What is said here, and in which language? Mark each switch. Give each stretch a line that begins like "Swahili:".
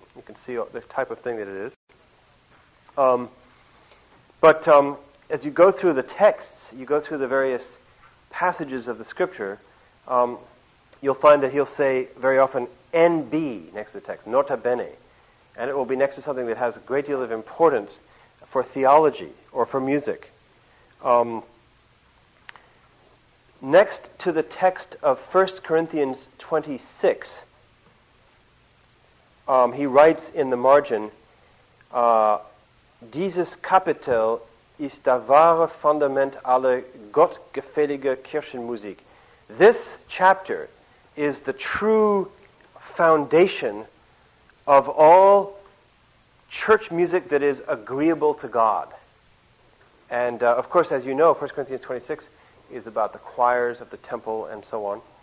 English: You can see the type of thing that it is. As you go through the texts, you go through the various passages of the Scripture, you'll find that he'll say very often, N.B. next to the text, nota bene, and it will be next to something that has a great deal of importance for theology or for music. Next to the text of 1 Corinthians 26, he writes in the margin,
German: dieses Kapitel ist das wahre Fundament aller gottgefällige Kirchenmusik.
English: This chapter is the true foundation of all church music that is agreeable to God. And, of course, as you know, 1 Corinthians 26 is about the choirs of the temple and so on.